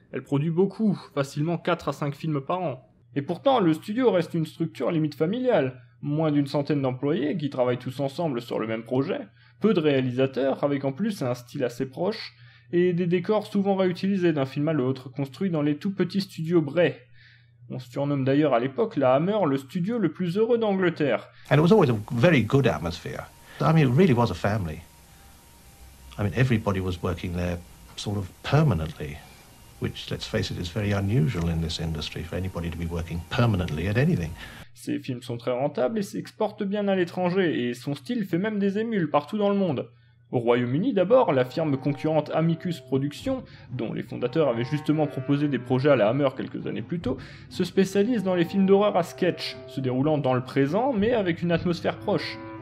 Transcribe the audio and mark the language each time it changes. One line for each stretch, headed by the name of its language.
French: Elle produit beaucoup, facilement 4 à 5 films par an. Et pourtant, le studio reste une structure limite familiale, moins d'une centaine d'employés qui travaillent tous ensemble sur le même projet, peu de réalisateurs, avec en plus un style assez proche, et des décors souvent réutilisés d'un film à l'autre, construits dans les tout petits studios Bray. On surnomme d'ailleurs à l'époque la Hammer le studio le plus heureux d'Angleterre.
English: And it was always a very good atmosphere. I mean, it really was a family. I mean, everybody was working there sort of permanently, which, let's face it, is very unusual in this industry for anybody to be working permanently at anything.
French: Ces films sont très rentables et s'exportent bien à l'étranger, et son style fait même des émules partout dans le monde. Au Royaume-Uni d'abord, la firme concurrente Amicus Productions, dont les fondateurs avaient justement proposé des projets à la Hammer quelques années plus tôt, se spécialise dans les films d'horreur à sketch, se déroulant dans le présent mais avec une atmosphère proche.